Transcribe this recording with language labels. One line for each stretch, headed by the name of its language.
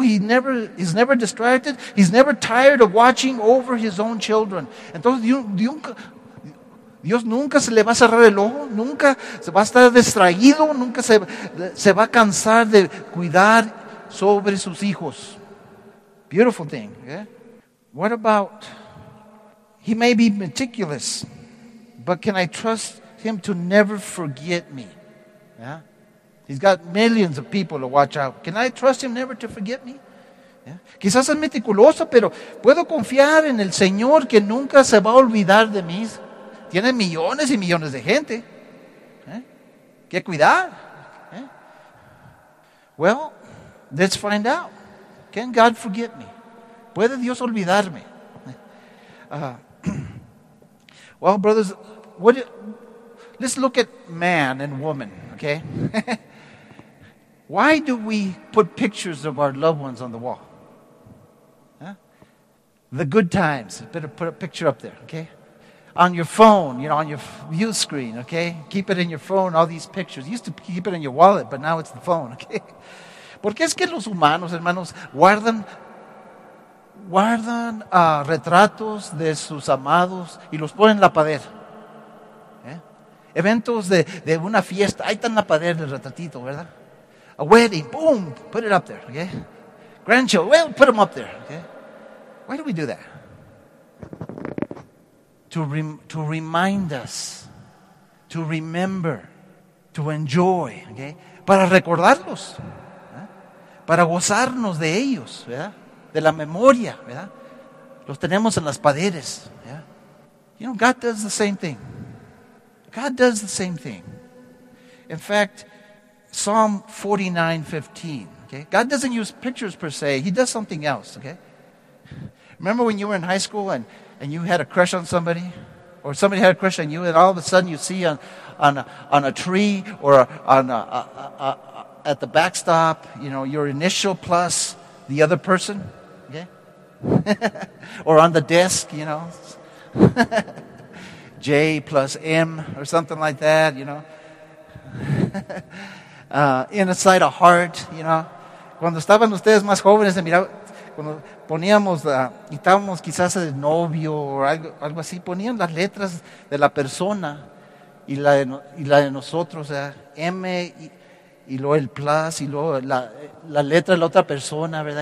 English: He's never distracted. He's never tired of watching over His own children.
Spanish: Entonces, Dios nunca se le va a cerrar el ojo, nunca se va a estar distraído, nunca se va a cansar de cuidar sobre sus hijos.
English: Beautiful thing. Okay? What about, he may be meticulous, but can I trust him to never forget me? Yeah? He's got millions of people to watch out. Can I trust him never to forget me? Yeah?
Spanish: Quizás es meticuloso, pero ¿puedo confiar en el Señor que nunca se va a olvidar de mí? Tiene millones y millones de gente. ¿Qué cuidar?
English: Well, let's find out. Can God forget me?
Spanish: ¿Puede Dios olvidarme?
English: Well, brothers, let's look at man and woman, okay? Why do we put pictures of our loved ones on the wall? The good times. Better put a picture up there, okay? On your phone, you know, on your view screen, okay? Keep it in your phone, all these pictures. You used to keep it in your wallet, but now it's the phone, okay?
Spanish: ¿Por qué es que los humanos, hermanos, guardan retratos de sus amados y los ponen en la pared? Eventos de una fiesta, ahí está en la pared el retratito, ¿verdad?
English: A wedding, boom, put it up there, okay? Grandchildren, well, put them up there, okay? Why do we do that? To remind us, to remember, to enjoy, okay?
Spanish: Para recordarlos, para gozarnos de ellos, ¿verdad? De la memoria, ¿verdad? Los tenemos en las paredes, ¿verdad?
English: You know, God does the same thing. God does the same thing. In fact, Psalm 49:15, okay? God doesn't use pictures per se. He does something else, okay? Remember when you were in high school and you had a crush on somebody, or somebody had a crush on you, and all of a sudden you see on a tree or at the backstop, you know, your initial plus the other person, okay? Or on the desk, you know, J plus M or something like that, you know. inside a heart, you know.
Spanish: Cuando estaban ustedes más jóvenes, se miraba, cuando poníamos, estábamos quizás de novio o algo así, ponían las letras de la persona y la de nosotros, o sea, M y luego el plus y luego la letra de la otra persona, ¿verdad?